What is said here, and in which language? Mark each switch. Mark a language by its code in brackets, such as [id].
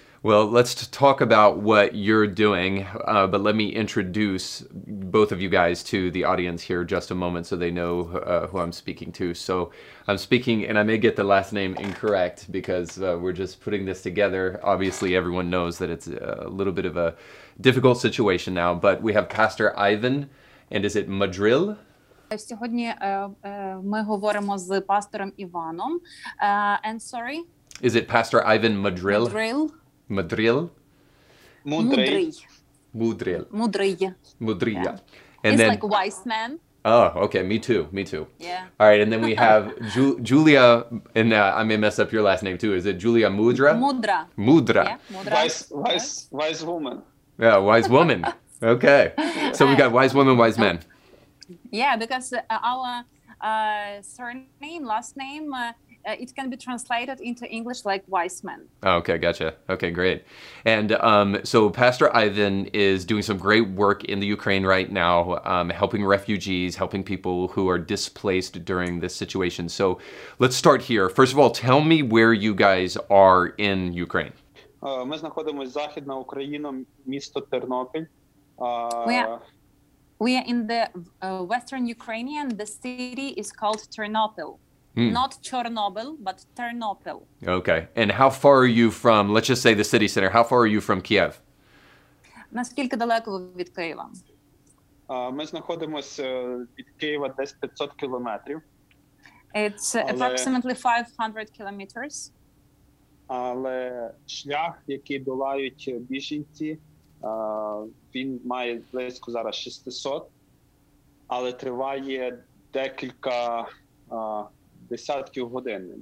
[en] Well, let's talk about what you're doing, but let me introduce both of you guys to the audience here just a moment so they know who I'm speaking to. So I'm speaking, and I may get the last name incorrect because we're just putting this together. Obviously, everyone knows that it's a little bit of a difficult situation now, but we have Pastor Ivan, and is it Madril? [uk] Сьогодні ми говоримо з пастором Іваном. [en] And sorry? Is it Pastor Ivan Madril? Madril? Mudril. Mudril. Mudril. Mudril. He's like wise man. Oh, okay. Me too. Yeah. All right. And then we have Julia, and I may mess up your last name too. Is it Julia Mudra? Mudra. Mudra. Yeah, Mudra. Wise woman. Yeah, wise woman. Okay. So we got wise woman, wise man. Yeah, because our surname, last name, it can be translated into English like wise man. Okay, gotcha. Okay, great. And so Pastor Ivan is doing some great work in the Ukraine right now, helping refugees, helping people who are displaced during this situation. So let's start here. First of all, tell me where you guys are in Ukraine. [uk] Ми знаходимося західна Україна, місто Тернопіль. [en] We are in the western Ukrainian. The city is called Ternopil. Not Chernobyl, but Ternopil. Okay. And how far are you from, let's just say the city center, how far are you from Kiev? [uk] Наскільки далеко ви від Києва? Ми знаходимося від Києва десь 500 кілометрів. [en] It's approximately 500 kilometers. [uk] Але шлях, який долають біженці, він має близько зараз 600, але триває декілька десятків годин.